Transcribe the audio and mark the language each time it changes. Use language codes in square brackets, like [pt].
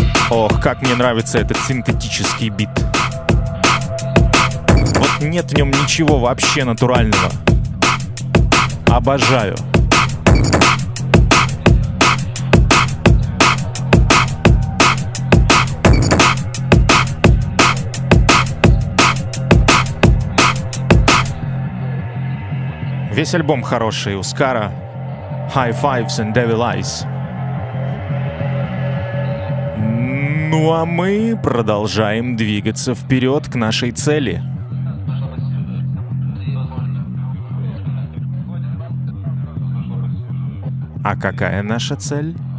[uk] Ох, як мені подобається цей синтетичний біт. [ru] Нет в нем ничего вообще натурального. Обожаю. Весь альбом хороший у Скара. [en] High Fives and Devil Eyes. [ru] Ну а мы продолжаем двигаться вперед к нашей цели. А какая наша цель?